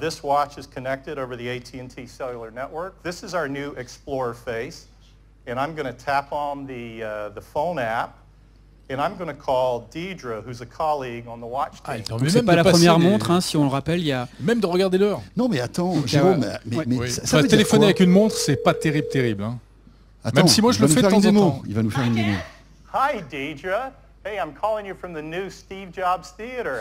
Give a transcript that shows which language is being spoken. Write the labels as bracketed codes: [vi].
[en] This watch is connected over the AT&T cellular network. This is our new Explorer face. And I'm going to tap on the phone app. And I'm going to call Deidre, who's a colleague on the watch team. [fr] Ah, donc c'est pas la première montre, hein, si on le rappelle, il y a... Même de regarder l'heure. Non mais attends, Jérôme, mais ça téléphoner avec une montre, c'est pas terrible. Hein. Attends, même si moi je le fais de temps en temps. Il va nous faire une démo. [en] Hi, Deidre. Hey, I'm calling you from the new Steve Jobs Theater.